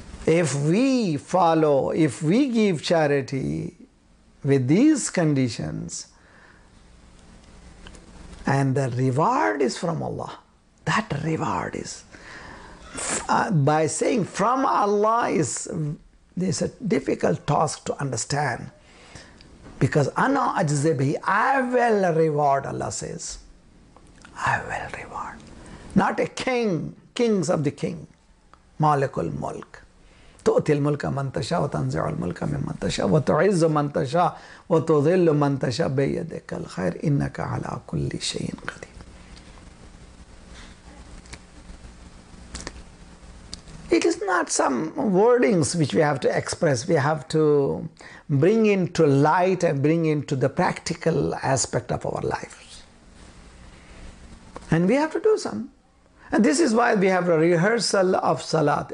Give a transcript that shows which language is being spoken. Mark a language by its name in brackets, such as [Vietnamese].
[English] If we follow, if we give charity with these conditions and the reward is from Allah, that reward is, by saying from Allah is a difficult task to understand, because ana ajzi bihi, I will reward, Allah says, I will reward. Not a king, kings of the king, malik ul mulk. [Arabic] تؤتي الملك من تشاء وتنزع الملك ممن تشاء وتعز من تشاء وتذل من تشاء بيدك الخير انك على كل شيء قدير. [English] It is not some wordings which we have to express. We have to bring into light and bring into the practical aspect of our lives. And we have to do some. And this is why we have a rehearsal of Salat.